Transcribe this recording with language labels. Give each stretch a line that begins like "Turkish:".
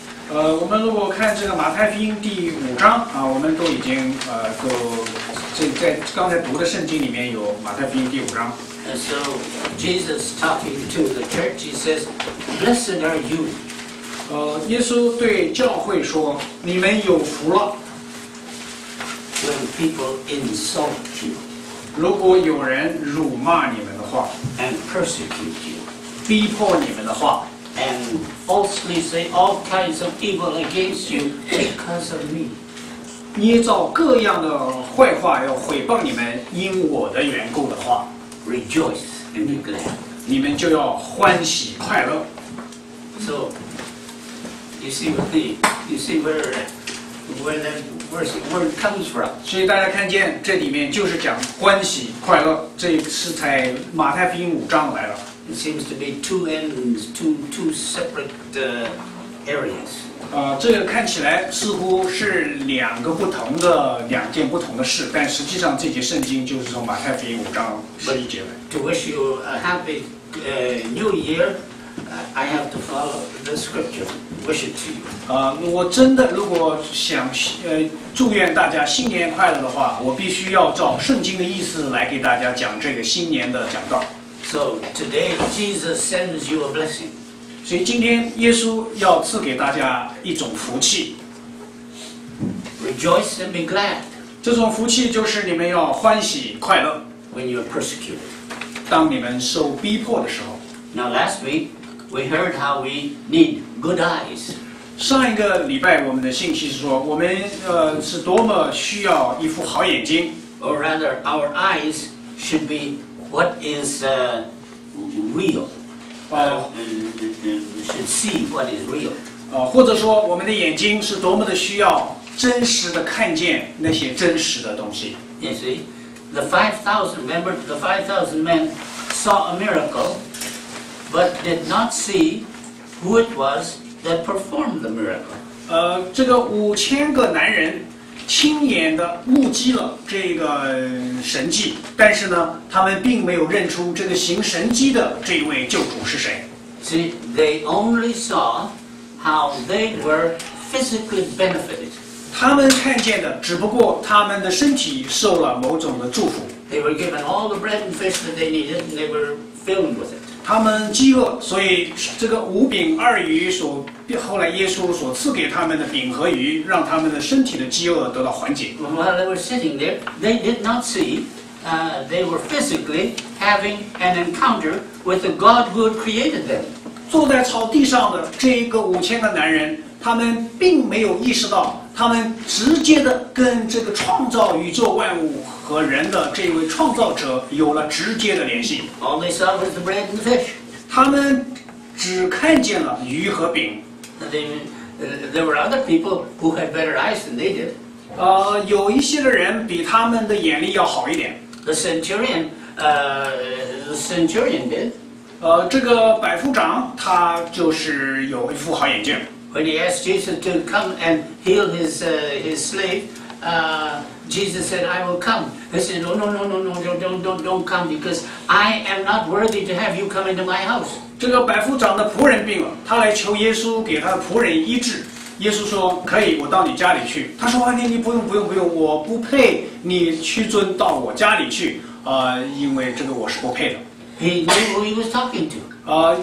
Chinese: 我们如果看这个马太福音第五章啊，我们都已经都。在刚才读的圣经里面有马太福音第五章。
English: And so Jesus talking to the church, he says, "Blessed are you."
Chinese: 耶稣对教会说，你们有福了。
English: When people insult you,
Chinese: 如果有人辱骂你们的话
English: ，and persecute you,
Chinese: 逼迫你们的话
English: ，and falsely say all kinds of evil against you because of me.
Chinese: 捏造各样的坏话要毁谤你们因我的缘故的话
English: Rejoice and be glad
Chinese: 你们就要欢喜快乐
English: So you see where that word comes from
Chinese: 所以大家看见这里面就是讲欢喜快乐这是在马太福音五章来了
English: It seems to be two ends two separate areas
Chinese: 这个看起来似乎是两个不同的两件不同的事但实际上这节圣经就是从马太福音五章十一节来
English: To wish you a happy new year I have to follow the scripture Wish it to you
Chinese: 我真的如果想祝愿大家新年快乐的话我必须要照圣经的意思来给大家讲这个新年的讲道
English: So today Jesus sends you a blessing
Chinese: 所以今天耶稣要赐给大家一种福气
English: Rejoice and be glad
Chinese: 这种福气就是你们要欢喜快乐
English: When you are persecuted
Chinese: 当你们受逼迫的时候
English: Now last week we heard how we need good eyes
Chinese: 上一个礼拜我们的信息是说我们是多么需要一副好眼睛
English: Or rather our eyes should be what is real should see what is real.
Chinese: 或者说我们的眼睛是多么的需要真实的看见那些真实的东西。
English: You see, the 5,000, remember the 5,000 men saw a miracle, but did not see who it was that performed the miracle.
Chinese: 这个五千个男人亲眼的目击了这个神迹，但是呢，他们并没有认出这个行神迹的这一位救主是谁。
English: See, they only saw how they were physically benefited.
Chinese: 他们看见的只不过他们的身体受了某种的祝福。
English: They were given all the bread and fish that they needed, and they were filled with it.
Chinese: 他们饥饿，所以这个五饼二鱼所。后来耶稣所赐给他们的饼和鱼让他们的身体的饥饿得到缓解
English: While they were sitting there they did not see they were physically having an encounter with the God who had created them
Chinese: 坐在草地上的这一个五千个男人他们并没有意识到他们直接的跟这个创造宇宙万物和人的这位创造者有了直接的联系
English: All they saw was the bread and fish
Chinese: 他们只看见了鱼和饼
English: There were other people who had better eyes than they did.
Chinese: 有一些的人比他们的眼力要好一点。
English: The centurion did.
Chinese: 这个百夫长他就是有一副好眼睛。
English: When he asked Jesus to come and heal his slave, Jesus said, "I will come." He said, "No, don't come because I am not worthy to have you come into my house."
Chinese: 这个百夫长的仆人病了，他来求耶稣给他的仆人医治。耶稣说：“可以，我到你家里去。” 他说：“你不用，我不配你屈尊到我家里去，因为这个我是不配的。”
English: He knew who he was talking to.